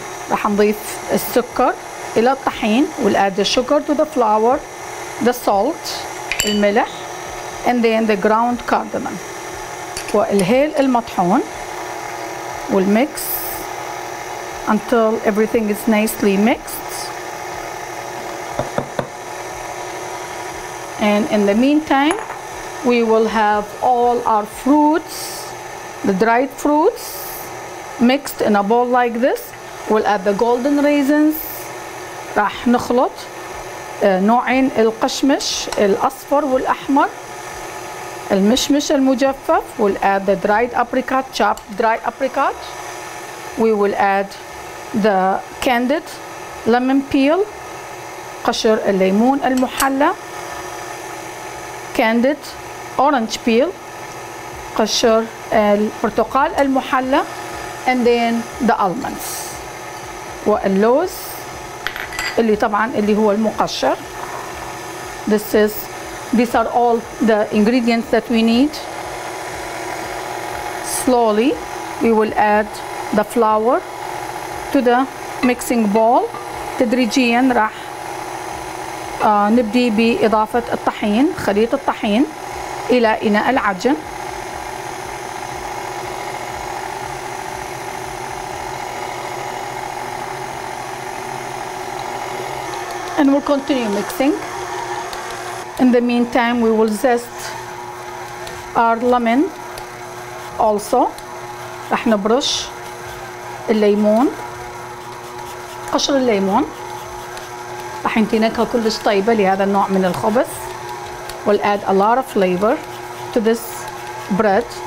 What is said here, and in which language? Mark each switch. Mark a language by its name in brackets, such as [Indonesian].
[Arabic] رح نضيف السكر إلى الطحين [English] we'll add the sugar to the flour the salt [Arabic] الملح [English] and then the ground cardamom [Arabic] والهيل المطحون [English] we'll mix until everything is nicely mixed and in the meantime we will have all our fruits the dried fruits mixed in a bowl like this We'll add the golden raisins. [Arabic] راح نخلط نوعين القشمش الأصفر والأحمر. المشمش المجفف. [English] We'll add the dried apricot, chopped dried apricot. We will add the candied lemon peel. [Arabic] قشر الليمون المحلى. [English] Candied orange peel. [Arabic] قشر البرتقال المحلى. [English] And then the almonds. [Arabic] واللوز اللي طبعا اللي هو المقشر [English] this is These are all the ingredients that we need. Slowly, we will add the flour to the mixing bowl. [Arabic] تدريجيا راح نبدي بإضافة الطحين، خليط الطحين إلى إناء العجن. [English] And we'll continue mixing. In the meantime, we will zest our lemon also. [Arabic] راح نبرش الليمون، قشر الليمون. راح ينتي نكهة كلش طيبة لهذا النوع من الخبز. [English] We'll add a lot of flavor to this bread.